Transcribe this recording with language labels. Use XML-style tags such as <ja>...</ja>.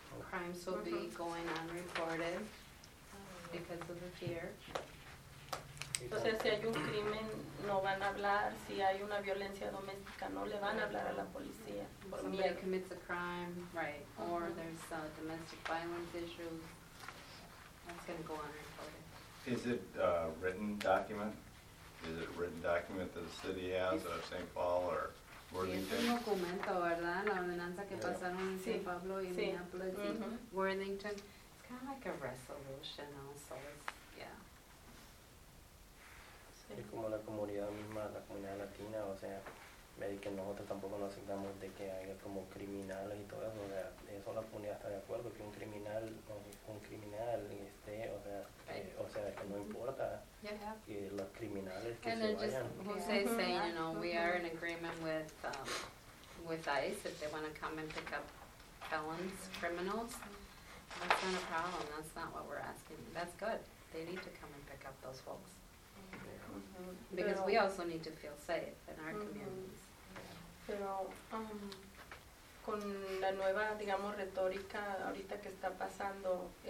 <en>Crimes will be going unreported because of the fear.</en> <es>Entonces, si hay un crimen, no van a hablar. Si hay una violencia doméstica, no le van a hablar a la policía.</es> <en>Somebody commits a crime, right? Or there's domestic violence issues. That's going to go on. Is it a written document? Is it a written document that the city has of St. Paul or Worthington?</en> <es>Es un documento, ¿verdad? La ordenanza que pasaron en San Pablo y Minneapolis.</es> <en>Worthington. It's kind of like a resolution also. Yeah.</en> <es>Es como la comunidad misma, la comunidad latina, o sea, me di que nosotros tampoco nos aceptamos de que haya como criminales y todo eso, o sea, eso la comunidad está de acuerdo, que un criminal esté, o sea, que no importa que los criminales que</es> <en>and</en> <es>se vayan.</es> <en>And just Jose saying, you know, we are in agreement with ICE, if they want to come and pick up felons, criminals, that's not a problem, that's not what we're asking, that's good, they need to come and pick up those folks. Yeah. Because we also need to feel safe in our communities.</en> <es>Pero con la nueva, digamos, retórica ahorita que está pasando,</es>